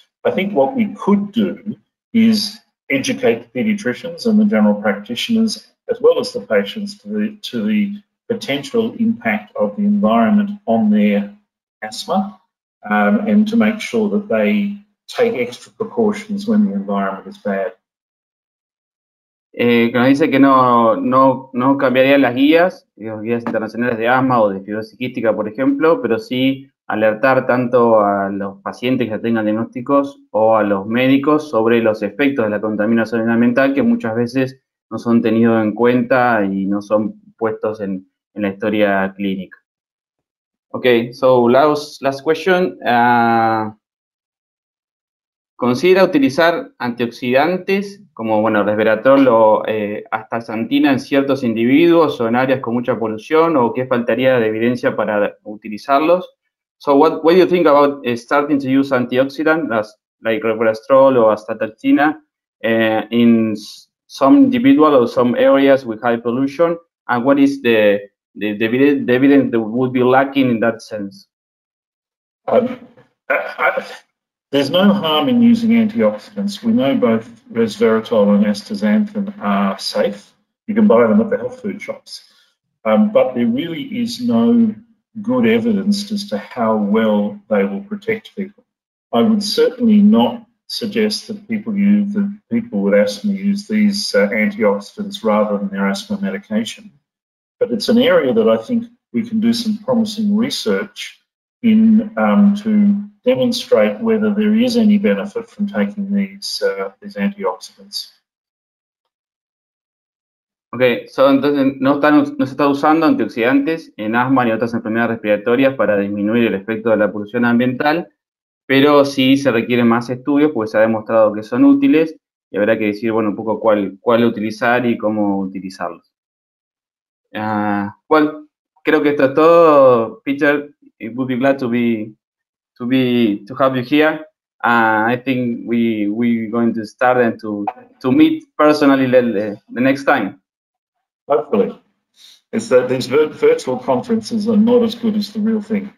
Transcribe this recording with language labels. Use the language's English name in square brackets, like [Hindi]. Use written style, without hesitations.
[English] I think what we could do is educate the pediatricians and the general practitioners, as well as the patients, to the potential impact of the environment on their asthma, and to make sure that they take extra precautions when the environment is bad. [Spanish] Cuando dice que no cambiaría las guías internacionales de asma o de fibrosis quística, por ejemplo, pero sí alertar tanto a los pacientes que tengan diagnósticos o a los médicos sobre los efectos de la contaminación ambiental, que muchas veces no son tenidos en cuenta y no son puestos en la historia clínica. [English] Okay, so last question. [Spanish] ¿Considera utilizar antioxidantes como, bueno, resveratrol o astaxantina en ciertos individuos o en áreas con mucha polución, o qué faltaría de evidencia para utilizarlos? [English] So what do you think about starting to use antioxidants like resveratrol or astaxantina in some individual or some areas with high pollution, and what is the evidence that would be lacking in that sense? There's no harm in using antioxidants. We know both resveratrol and astaxanthin are safe. You can buy them at the health food shops. But there really is no good evidence as to how well they will protect people. I would certainly not suggest that people with asthma use these antioxidants rather than their asthma medication. But it's an area that I think we can do some promising research in to demonstrate whether there is any benefit from taking these antioxidants. Okay, so [Spanish] entonces no se está usando antioxidantes en asma ni otras enfermedades respiratorias para disminuir el efecto de la polución ambiental, pero sí se requieren más estudios, pues se ha demostrado que son útiles y habrá que decir, bueno, un poco cuál utilizar y cómo utilizarlos. [English] Well, [Spanish] creo que esto es todo, Peter. [English] I would be glad to have you here. I think we're going to start and to meet personally the next time. Hopefully. These virtual conferences are not as good as the real thing.